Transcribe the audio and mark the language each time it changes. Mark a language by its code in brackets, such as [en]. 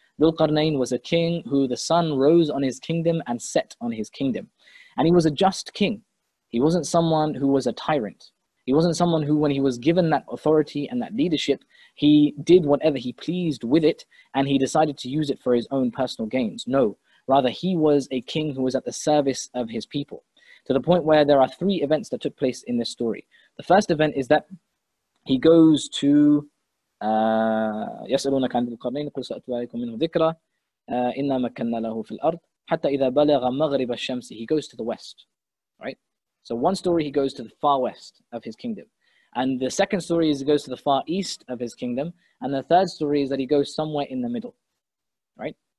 [en] Dhulqarnayn was a king who the sun rose on his kingdom and set on his kingdom. And he was a just king. He wasn't someone who was a tyrant. He wasn't someone who, when he was given that authority and that leadership, he did whatever he pleased with it and he decided to use it for his own personal gains. No, rather he was a king who was at the service of his people, to the point where there are three events that took place in this story. The first event is that he goes to [ar] يَسْأَلُونَكَ عَنْدِ الْقَرْنَيْنِ قُلْ سَأَتْوَعَيْكُمْ مِنْهُ ذِكْرًا إِنَّا مَكَنَّا لَهُ فِي الْأَرْضِ حَتَّى إِذَا بَلَغَ مَغْرِبَ الشَّمْسِ. [en] He goes to the west, right? So one story, he goes to the far west of his kingdom. And the second story is he goes to the far east of his kingdom. And the third story is that he goes somewhere in the middle, right?